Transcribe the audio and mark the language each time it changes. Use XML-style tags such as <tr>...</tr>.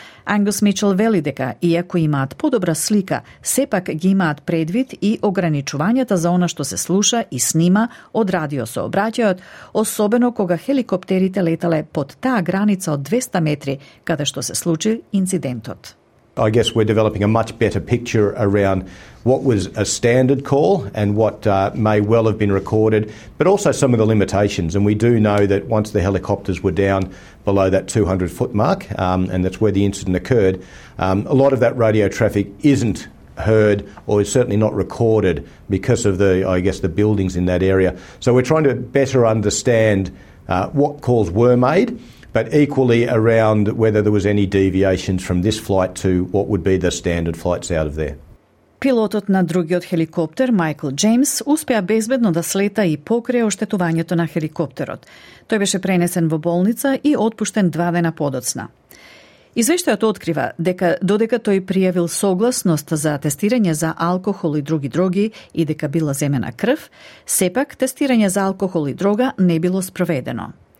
<mk>Ангус Мичел вели дека, иако имаат подобра слика, сепак ги имаат предвид и ограничувањата за она што се слуша и снима од радиосообраќајот, особено кога хеликоптерите летале под таа граница од 200 метри, каде што се случи инцидентот.</mk> <en>I guess we're developing a much better picture around what was a standard call and what may well have been recorded, but also some of the limitations. And we do know that once the helicopters were down below that 200-foot mark, and that's where the incident occurred, a lot of that radio traffic isn't heard or is certainly not recorded because of the buildings in that area. So we're trying to better understand what calls were made, but equally around whether there was any deviations from this flight to what would be the standard flights out of there.</en> <mk>Пилотот на другиот хеликоптер, Майкл Джеймс, успеа безбедно да слета и покрие оштетувањето на хеликоптерот. Тој беше пренесен во болница и отпуштен 2 дена подоцна. Извештајот открива дека додека тој пријавил согласност за тестирање за алкохол и други дроги и дека била земена крв, сепак тестирање за алкохол и дрога не било спроведено.</mk>